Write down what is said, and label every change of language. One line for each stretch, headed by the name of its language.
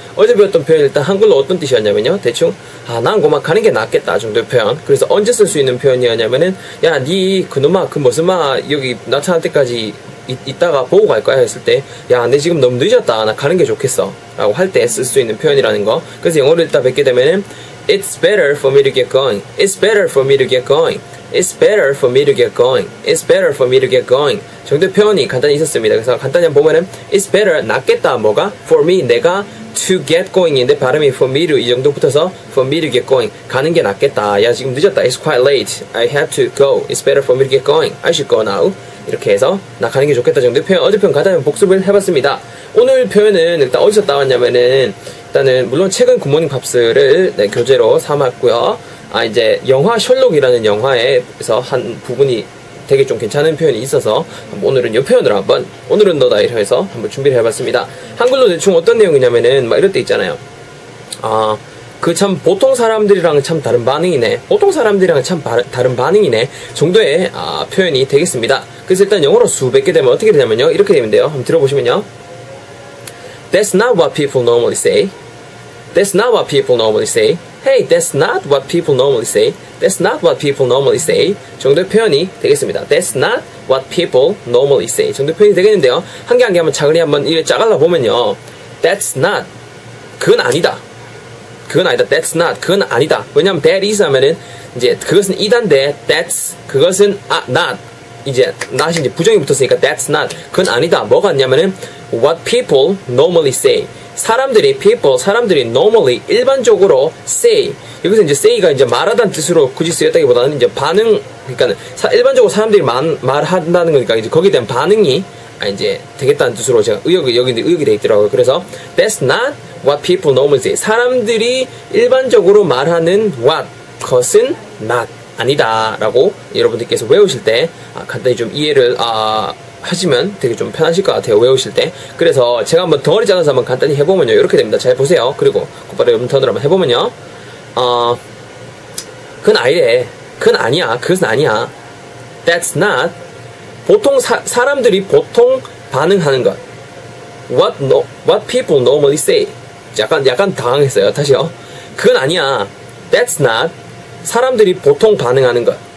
Korean: 어제 배웠던 표현 일단 한글로 어떤 뜻이었냐면요, 대충 난 그만 가는 게 낫겠다 정도의 표현. 그래서 언제 쓸 수 있는 표현이었냐면은 야, 네 그놈아 그 무슨 마 여기 나타날 때까지 이따가 보고 갈 거야 했을 때, 야, 내 지금 너무 늦었다, 나 가는 게 좋겠어 라고 할 때 쓸 수 있는 표현이라는 거.
English: 그래서 영어를 일단 뵙게 되면은 It's better for me to get going. It's better for me to get going. It's better for me to get going. It's better for me to get going.
Korean: 정도의 표현이 간단히 있었습니다. 그래서 간단히 한번 보면은
English: It's better,
Korean: 낫겠다, 뭐가? For me, 내가
English: to get going
Korean: 인데 발음이 for me to 이 정도 붙어서
English: for me to get going,
Korean: 가는 게 낫겠다. 야, 지금 늦었다.
English: It's quite late. I have to go. It's better for me to get going. I should go now.
Korean: 이렇게 해서 나 가는 게 좋겠다 정도의 표현, 어제 표현 간단히 복습을 해봤습니다. 오늘 표현은 일단 어디서 따왔냐면은 일단은 물론 최근 굿모닝 팝스를 네, 교재로 삼았고요. 이제 영화 셜록이라는 영화에서 한 부분이 되게 좀 괜찮은 표현이 있어서 오늘은 이 표현으로 한번 오늘은 너다 이래서 한번 준비를 해봤습니다. 한글로 대충 어떤 내용이냐면은 막 이럴 때 있잖아요. 그 참 보통 사람들이랑 참 다른 반응이네. 보통 사람들이랑 참 다른 반응이네 정도의 표현이 되겠습니다. 그래서 일단 영어로 수백개 되면 어떻게 되냐면요, 이렇게 되면 돼요. 한번 들어보시면요.
English: That's not what people normally say. That's not what people normally say. Hey, that's not what people normally say. That's not what people normally say.
Korean: 정도의 표현이 되겠습니다.
English: That's not what people normally say.
Korean: 정도의 표현이 되겠는데요. 한 개 한 개 한번 차근히 한번 이렇게 짜갈라 보면요.
English: That's not.
Korean: 그건 아니다. 그건 아니다. That's not. 그건 아니다. 왜냐면 that is 하면은 이제 그것은 이단데 that's 그것은 not. 이제 not이 이제 부정이 붙었으니까
English: that's not.
Korean: 그건 아니다. 뭐가 아니냐면은
English: what people normally say.
Korean: 사람들이 people 사람들이 normally 일반적으로 say. 여기서 이제 say가 이제 말하다는 뜻으로 굳이 쓰였다기보다는 이제 반응, 그러니까 일반적으로 사람들이 말한다는 거니까 이제 거기에 대한 반응이 이제 되겠다는 뜻으로 제가 의역이 돼 있더라고요.
English: 그래서 that's not what people normally say.
Korean: 사람들이 일반적으로 말하는 what 것은 not 아니다라고 여러분들께서 외우실 때 간단히 좀 이해를 하시면 되게 좀 편하실 것 같아요, 외우실 때. 그래서 제가 한번 덩어리 잘라서 한번 간단히 해보면요, 이렇게 됩니다. 잘 보세요. 그리고 곧바로 여러분 턴으로 한번 해보면요. 그건 아니래. 그건 아니야. 그것은 아니야.
English: That's not.
Korean: 보통 사람들이 보통 반응하는 것.
English: What people normally say.
Korean: 약간 당황했어요. 다시요. 그건 아니야.
English: That's not.
Korean: 사람들이 보통 반응하는 것.